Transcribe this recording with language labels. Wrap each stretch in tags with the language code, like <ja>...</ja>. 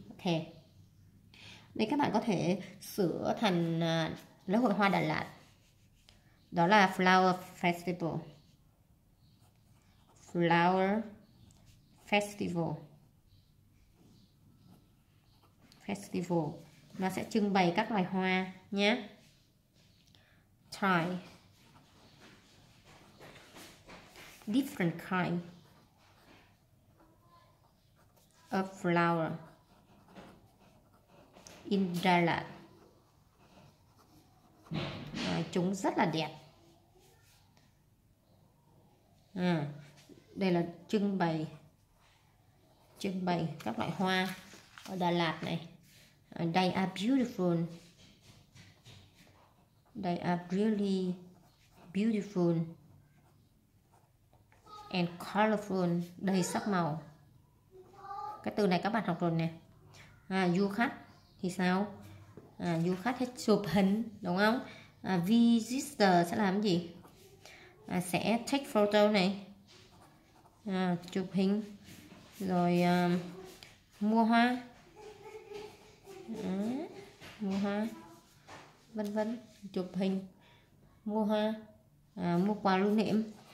<vi>Ok, đây các bạn có thể sửa thành lễ hội hoa Đà Lạt, đó là Flower Festival.</vi> <en>Flower Festival.</en> <vi>Festival nó sẽ trưng bày các loài hoa nhé.</vi> <en>Try different kind of flower in Đà Lạt.</en> <vi>Chúng rất là đẹp. Đây là trưng bày các loại hoa ở Đà Lạt này.</vi> <en>They are beautiful. They are really beautiful. and colorful,</en> <vi>đầy sắc màu. Cái từ này các bạn học rồi nè. À, du khách thì sao? À, du khách hết chụp hình đúng không? À, visitor sẽ làm gì? À, sẽ</vi> <en>take photo</en> <vi>này, à, chụp hình, rồi mua hoa, à, mua hoa, vân vân, chụp hình, mua hoa, à, mua quà lưu niệm.</vi>